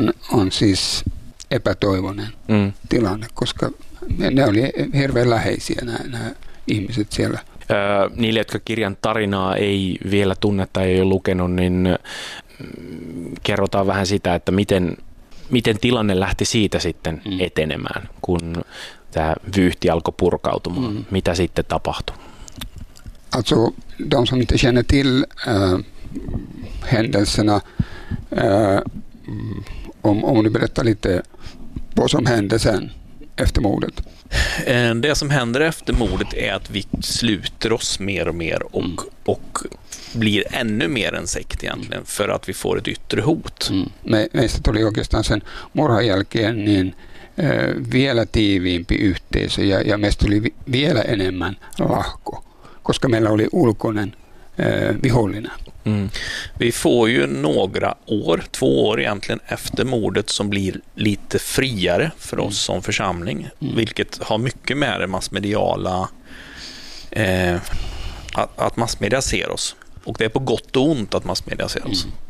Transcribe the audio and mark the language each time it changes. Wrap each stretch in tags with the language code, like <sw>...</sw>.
<fi>on siis epätoivoinen tilanne, koska ne oli hirveän läheisiä nämä ihmiset siellä. Niille, jotka kirjan tarinaa ei vielä tunne tai ei ole lukenut, niin kerrotaan vähän sitä, että miten tilanne lähti siitä sitten etenemään, kun tämä vyyhti alkoi purkautumaan. Mm. Mitä sitten tapahtui?</fi> <sv>Alltså, de som inte känner till händelserna, om du berättar lite vad som hände sen efter mordet. Det som händer efter mordet är att vi sluter oss mer och mer och blir ännu mer en sekt egentligen, för att vi får ett yttre hot.</sv> <fi>Meistä tuli oikeastaan sen murhan jälkeen niin vielä tiiviimpi yhteisö, ja meistä tuli vielä enemmän lahko, koska meillä oli ulkoinen vihollinen.</fi> <sv>Vi får ju några år, två år egentligen efter mordet, som blir lite friare för oss som församling, vilket har mycket med det massmediala, att massmedia ser oss, och det är på gott och ont att massmedia ser oss.</sv>